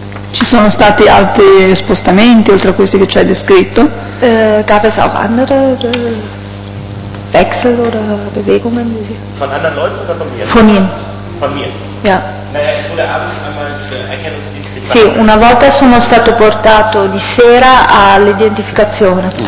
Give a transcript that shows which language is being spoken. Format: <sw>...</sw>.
<it>Ci sono stati altri spostamenti oltre a questi che ci hai descritto?</it> <de>Gab es auch andere? Wechsel oder Bewegungen, wie Sie? Von anderen Leuten oder von mir? Von Ihnen. Von mir? Ja. Naja, ich wurde abends einmal für Erkennungsdienst.</de> <it>Sì, una volta sono stato portato di sera all'identificazione.</it>